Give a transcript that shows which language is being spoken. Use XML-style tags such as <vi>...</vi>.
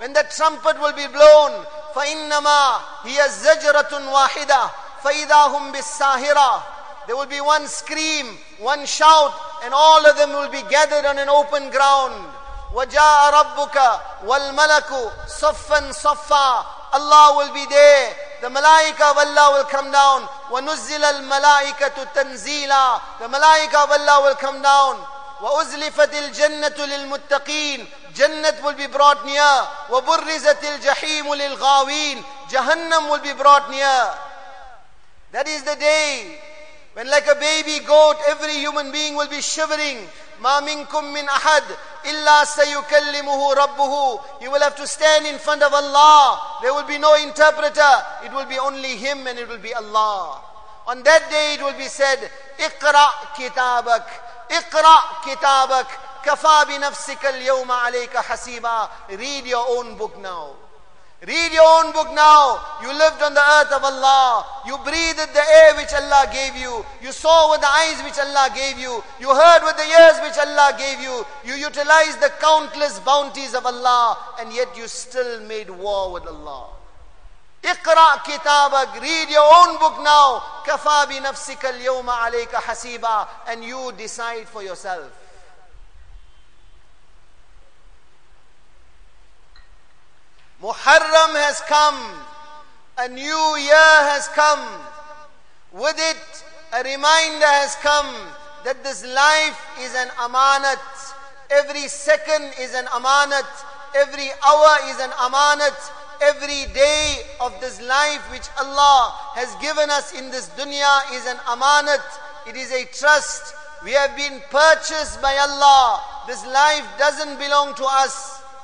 <en>When the trumpet will be blown,</en> <ar>فَإِنَّمَا هِيَ زَجْرَةٌ وَاحِدَةٌ فَإِذَا هُمْ بِالسَّاهِرَةِ.</ar> <en>There will be one scream, one shout, and all of them will be gathered on an open ground.</en> <ar>وَجَاءَ رَبُّكَ وَالْمَلَكُ صَفًّا صَفًّا.</ar> <en>Allah will be there. The malaika of Allah will come down.</en> <ar>وَنُزِّلَ الْمَلَائِكَةُ تَنْزِيلًا.</ar> <en>The malaika of Allah will come down.</en> <ar>وَأُزْلِفَتِ الْجَنَّةُ لِلْمُتَّقِينَ.</ar> <en>Jannat will be brought near.</en> <ar>وَبُرِّزَتِ الْجَحِيمُ لِلْغَاوِينَ.</ar> <en>Jahannam will be brought near. That is the day when, like a baby goat, every human being will be shivering.</en> <ar>مَا مِنْكُمْ مِنْ أَحَدْ إِلَّا سَيُكَلِّمُهُ رَبُّهُ.</ar> <en>He will have to stand in front of Allah. There will be no interpreter. It will be only Him and it will be Allah. On that day it will be said,</en> <ar>اِقْرَأْ كِتَابَكْ اِقْرَأْ كِتَابَكْ كَفَى بِنَفْسِكَ الْيَوْمَ عَلَيْكَ حَسِيبًا.</ar> <en>Read your own book now. Read your own book now. You lived on the earth of Allah. You breathed the air which Allah gave you. You saw with the eyes which Allah gave you. You heard with the ears which Allah gave you. You utilized the countless bounties of Allah. And yet you still made war with Allah.</en> <ar>اقرأ كتابك.</ar> <en>Read your own book now.</en> <ar>كفى بنفسك اليوم عليك حسيبا.</ar> <en>And you decide for yourself. Muharram has come, a new year has come, with it a reminder has come that this life is an amanat, every second is an amanat, every hour is an amanat, every day of this life which Allah has given us in this dunya is an amanat, it is a trust, we have been purchased by Allah, this life doesn't belong to us.</en>